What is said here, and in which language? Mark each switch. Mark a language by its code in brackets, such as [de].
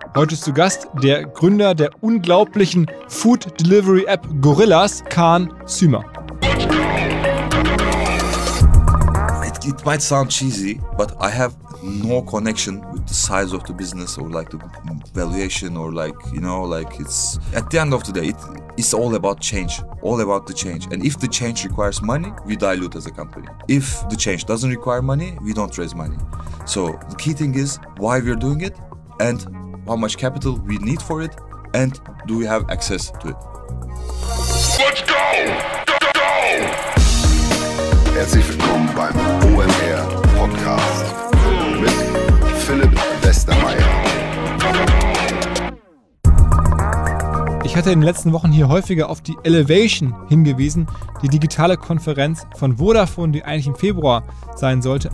[de] Heute ist zu Gast der Gründer der unglaublichen Food Delivery App Gorillas, Kaan Sümer. [en] It might sound cheesy, but I have no connection with the size of the business or like the valuation or like, you know, like it's at the end of the day, it's all about change, all about the change. And if the change requires money, we dilute as a company. If the change doesn't require money, we don't raise money. So the key thing is why we're doing it and how much capital we need for it and do we have access to it. Let's go! [de] Herzlich willkommen beim OMR Podcast mit Philipp Westermeier. Ich hatte in den letzten Wochen hier häufiger auf die Elevation hingewiesen, die digitale Konferenz von Vodafone, die eigentlich im Februar sein sollte.